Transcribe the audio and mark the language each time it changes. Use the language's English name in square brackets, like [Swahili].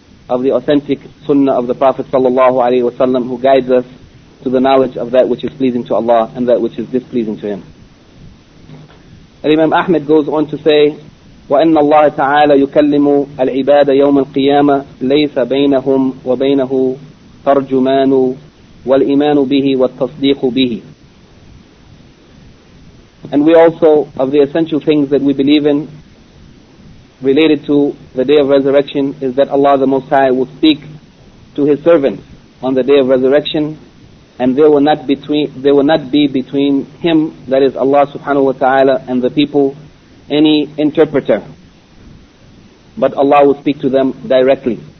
[English] of the authentic sunnah of the Prophet sallallahu alayhi wa sallam, who guides us to the knowledge of that which is pleasing to Allah and that which is displeasing to Him. And Imam Ahmed goes on to say [Arabic] وأن الله تعالى يكلم العباد يوم القيامة ليس بينهم وبينه ترجمان، والإيمان به والتصديق به. [English] And we also, of the essential things that we believe in related to the day of resurrection, is that Allah the Most High will speak to His servants on the day of resurrection, and there will not be between Him, that is Allah subhanahu wa ta'ala, and the people any interpreter, but Allah will speak to them directly.